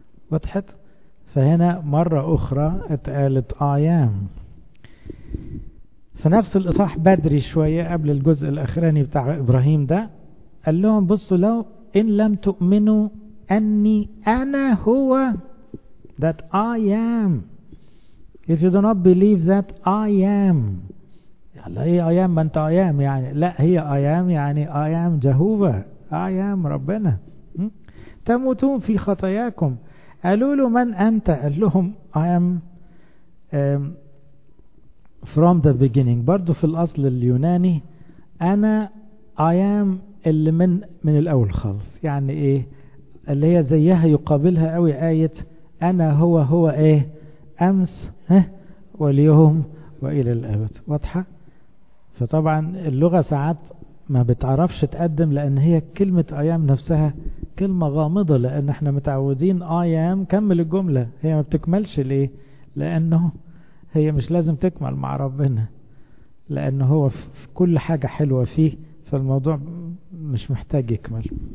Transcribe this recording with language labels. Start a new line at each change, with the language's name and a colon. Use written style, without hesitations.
Arabic: وضحت؟ فهنا مرة أخرى اتقالت آيام. في نفس الإصحاح بدري شوية قبل الجزء الأخراني بتاع إبراهيم ده، قال لهم بصوا لو إن لم تؤمنوا أني أنا هو،
English: that I am. If you do not believe that I am،
Arabic: يعني إيه
English: I am؟
Arabic: ما أنت I am يعني، لا هي I am يعني
English: I am Jehovah،
Arabic: I am ربنا، تموتون في خطاياكم. قالوا له من أنت؟ قال لهم
English: I am from the beginning.
Arabic: برضو في الأصل اليوناني أنا
English: I am
Arabic: اللي من الأول خالص، يعني إيه؟ اللي هي زيها يقابلها قوي آية أنا هو هو إيه أمس واليوم وإلى الأبد، واضحة؟ فطبعا اللغة ساعات ما بتعرفش تقدم، لأن هي كلمة أيام نفسها كلمة غامضة، لأن احنا متعودين أيام كمل الجملة، هي ما بتكملش ليه؟ لأنه هي مش لازم تكمل مع ربنا، لأنه هو في كل حاجة حلوة فيه، فالموضوع مش محتاج يكمل.